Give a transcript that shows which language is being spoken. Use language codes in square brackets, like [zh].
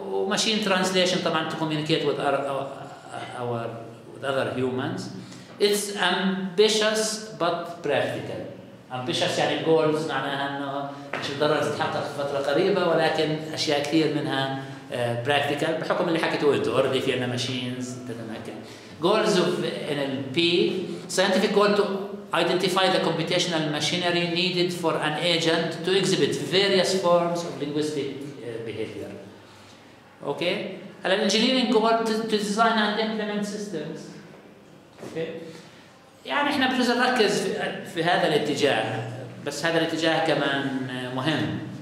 [en] Machine translation طبعاً to communicate with other humans. It's ambitious but practical. [ar] Ambitious يعني goals، معناها إنه مش ضرر تتحقق في فترة قريبة، ولكن أشياء كثير منها practical بحكم اللي حكيته أنت. Already في عنا machines تتمكن. [en] Goals of NLP scientific goal to identify the computational machinery needed for an agent to exhibit various forms of linguistic behavior. Okay. And engineering goal to design and implement systems. Okay. [ar] يعني إحنا بجوز نركز في هذا الاتجاه، بس هذا الاتجاه كمان مهم.